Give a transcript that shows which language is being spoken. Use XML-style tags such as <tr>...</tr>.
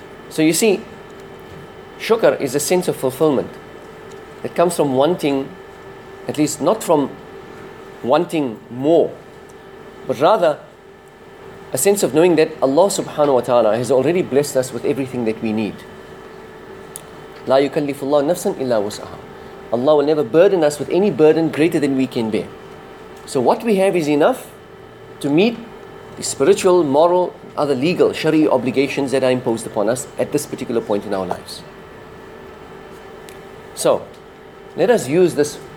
<en>So you see, shukr is a sense of fulfillment that comes from wanting, at least not from wanting more, but rather a sense of knowing that Allah subhanahu wa ta'ala has already blessed us with everything that we need.</en> <ar>لا يكلف الله نفسا إلا وسعها.</ar> <en>Allah will never burden us with any burden greater than we can bear. So what we have is enough to meet the spiritual, moral, other legal, shari'i obligations that are imposed upon us at this particular point in our lives. So, let us use this</en>